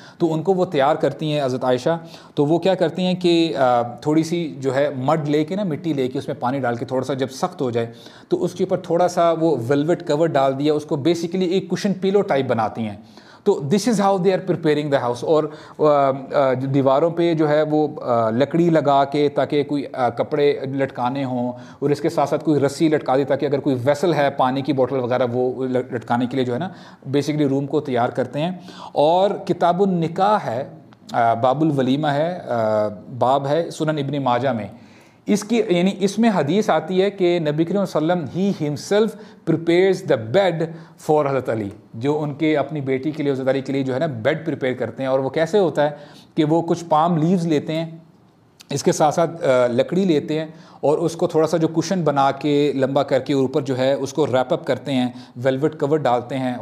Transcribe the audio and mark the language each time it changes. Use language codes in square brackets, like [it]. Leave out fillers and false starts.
[ur] تو ان کو وہ تیار کرتی ہیں حضرت عائشہ، تو وہ کیا کرتی ہیں کہ تھوڑی سی جو ہے مڈ لے کے نا، مٹی لے کے اس میں پانی ڈال کے تھوڑا سا جب سخت ہو جائے تو اس کے اوپر تھوڑا سا وہ ویلویٹ کور ڈال دیا، اس کو بیسیکلی ایک کشن پیلو ٹائپ بناتی ہیں. [en] تو this is how they are preparing the house. [ur] اور دیواروں پہ جو ہے وہ لکڑی لگا کے تاکہ کوئی کپڑے لٹکانے ہوں، اور اس کے ساتھ ساتھ کوئی رسی لٹکا دی تاکہ اگر کوئی ویسل ہے پانی کی بوٹل وغیرہ وہ لٹکانے کے لیے جو ہے نا بیسکلی روم کو تیار کرتے ہیں. اور کتاب النکاح ہے، باب الولیمہ ہے، باب ہے سنن ابن ماجہ میں، اس کی یعنی اس میں حدیث آتی ہے کہ نبی کریم صلی اللہ علیہ وسلم [en] himself prepares the bed for [ur] حضرت علی، جو ان کے اپنی بیٹی کے لیے حضرت علی کے لیے جو ہے نا بیڈ پریپیئر کرتے ہیں. اور وہ کیسے ہوتا ہے کہ وہ کچھ پام لیوز لیتے ہیں، اس کے ساتھ ساتھ لکڑی لیتے ہیں، اور اس کو تھوڑا سا جو کشن بنا کے لمبا کر کے اوپر جو ہے اس کو ریپ اپ کرتے ہیں، ویلویٹ کور ڈالتے ہیں.